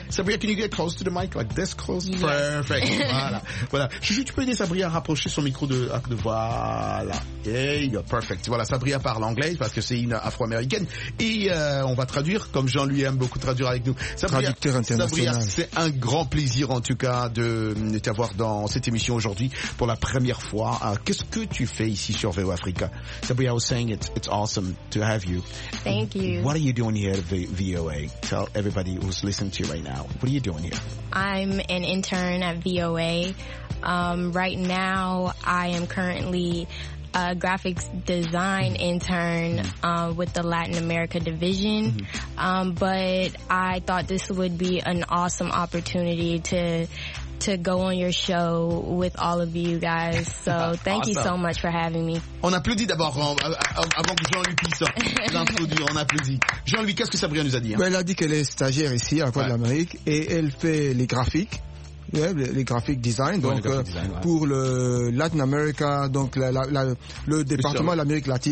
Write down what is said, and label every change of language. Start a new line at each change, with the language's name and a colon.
English: Sabria, can you get close to the mic, like this close? Yeah. Perfect. Voilà. Voilà.
French: Chouchou, tu peux aider Sabria à rapprocher son micro de voilà.
English: Hey, perfect.
French: Voilà, Sabria parle anglais parce que c'est une afro-américaine. Et on va traduire, comme Jean lui aime beaucoup traduire avec nous. Sabria, traducteur international. Sabria, c'est un grand plaisir en tout cas de t'avoir dans cette émission aujourd'hui pour la première fois. Qu'est-ce que tu fais ici sur VO Africa?
English: Sabria was saying it's awesome to have you. Thank you. What are you doing here at VOA? Tell everybody who's listening to you right now. What are you doing here? I'm an intern at VOA. Right now, I am currently a graphics design intern with the Latin America division. Mm-hmm. But I thought this would be an awesome opportunity to go on your show with all of you guys. So thank awesome. You so much for having me.
French: On applaudit d'abord avant que Jean-Louis puisse l'introduire. On applaudit. Jean-Louis, qu'est-ce que Sabrina nous a dit Elle a dit qu'elle est stagiaire ici à Voix de l'Amérique et elle fait les graphiques. Les graphiques design, donc le graphic design, pour le Latin America, donc le département de l'Amérique latine,